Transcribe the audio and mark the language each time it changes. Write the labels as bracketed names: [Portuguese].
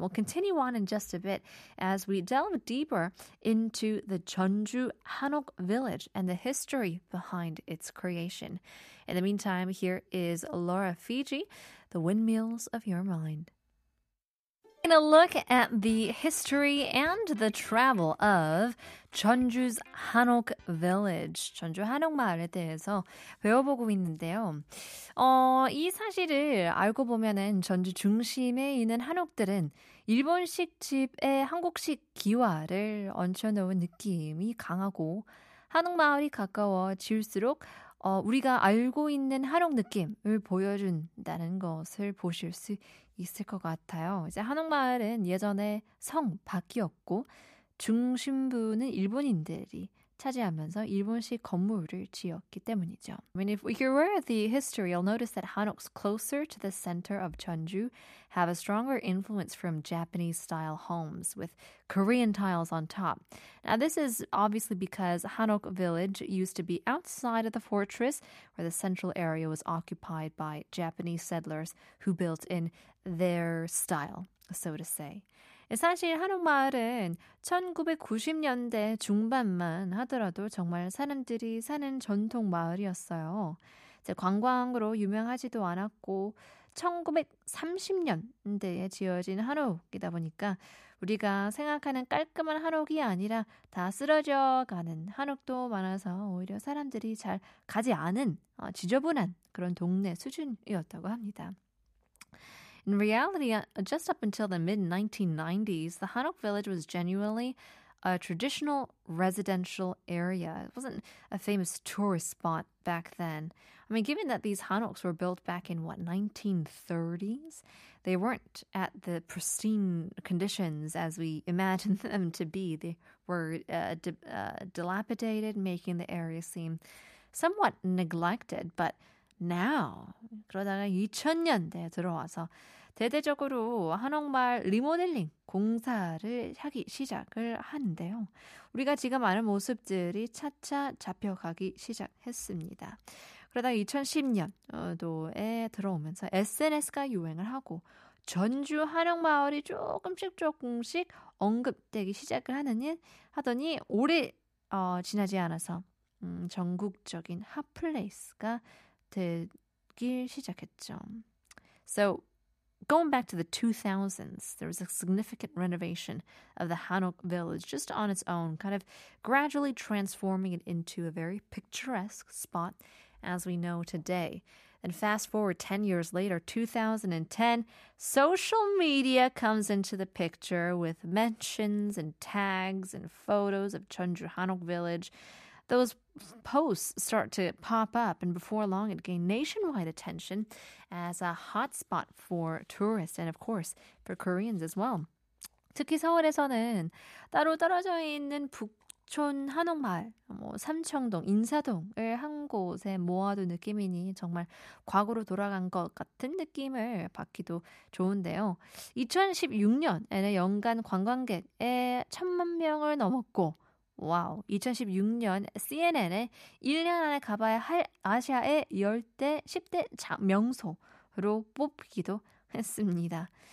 [English] We'll continue on in just a bit as we delve deeper into the Jeonju Hanok village and the history behind its creation. In the meantime, here is Laura Fiji, The Windmills of Your Mind. Taking a look at the history and the travel of Jeonju's Hanok Village. [Korean] 전주 한옥마을에 대해서 배워보고 있는데요. 이 사실을 알고 보면은 전주 중심에 있는 한옥들은 일본식 집에 한국식 기와를 얹혀놓은 느낌이 강하고 한옥마을이 가까워질수록 우리가 알고 있는 한옥 느낌을 보여준다는 것을 보실 수 있을 것 같아요. 이제 한옥마을은 예전에 성 밖이었고 중심부는 일본인들이 차지하면서 일본식 건물을 지었기 때문이죠. [English] I mean, if you're aware of the history, you'll notice that Hanoks closer to the center of Jeonju have a stronger influence from Japanese-style homes with Korean tiles on top. Now, this is obviously because Hanok Village used to be outside of the fortress where the central area was occupied by Japanese settlers who built in their style, so to say. [Korean] 사실 한옥마을은 1990년대 중반만 하더라도 정말 사람들이 사는 전통 마을이었어요. 이제 관광으로 유명하지도 않았고 1930년대에 지어진 한옥이다 보니까 우리가 생각하는 깔끔한 한옥이 아니라 다 쓰러져가는 한옥도 많아서 오히려 사람들이 잘 가지 않은 지저분한 그런 동네 수준이었다고 합니다. [English] In reality, just up until the mid-1990s, the Hanok Village was genuinely a traditional residential area. It wasn't a famous tourist spot back then. I mean, given that these Hanoks were built back in, what, 1930s? They weren't at the pristine conditions as we imagine them to be. They were dilapidated, making the area seem somewhat neglected. But now, [Korean] 그러다가 2000년대에 들어와서 대대적으로 한옥마을 리모델링 공사를 하기 시작을 하는데요. 우리가 지금 아는 모습들이 차차 잡혀가기 시작했습니다. 그러다 2010년도에 들어오면서 SNS가 유행을 하고 전주 한옥마을이 조금씩 조금씩 언급되기 시작을 하더니 오래 지나지 않아서 전국적인 핫플레이스가 되길 시작했죠. [English] So, going back to the 2000s, there was a significant renovation of the Hanok Village just on its own, kind of gradually transforming it into a very picturesque spot as we know today. And fast forward 10 years later, 2010, social media comes into the picture with mentions and tags and photos of Jeonju Hanok Village. Those posts start to pop up, and before long it gained nationwide attention as a hotspot for tourists and, of course, for Koreans as well. [Korean] 특히 서울에서는 따로 떨어져 있는 북촌 한옥마을, 삼청동, 인사동을 한 곳에 모아둔 느낌이니 정말 과거로 돌아간 것 같은 느낌을 받기도 좋은데요. 2016년에는 연간 관광객의 천만 명을 넘었고 와우, 2016년 CNN에 1년 안에 가봐야 할 아시아의 10대, 10대 명소로 뽑히기도 했습니다.